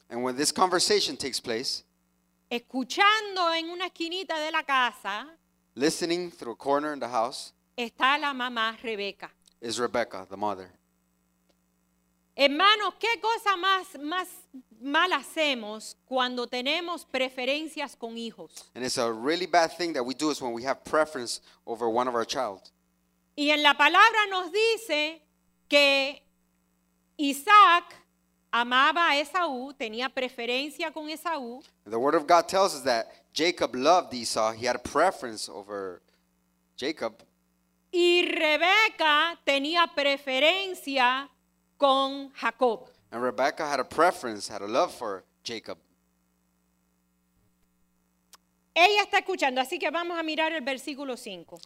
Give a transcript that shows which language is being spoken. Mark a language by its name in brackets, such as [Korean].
[English] and when this conversation takes place, [Spanish] escuchando en una esquinita de la casa, [English] listening through a corner in the house, [Spanish] está la mamá Rebeca. [English] Is Rebecca, the mother. [Spanish] Hermanos, ¿qué cosa más mal hacemos cuando tenemos preferencias con hijos? [English] And it's a really bad thing that we do is when we have preference over one of our child. [Spanish] Y en la palabra nos dice que Isaac amaba a Esaú, tenía preferencia con Esaú. [English] The word of God tells us that Jacob loved Esau. He had a preference over Jacob. [Spanish] Y Rebeca tenía preferencia con Jacob. [English] And Rebecca had a preference, had a love for Jacob. [Spanish] Ella está escuchando, así que vamos a mirar el versículo 5.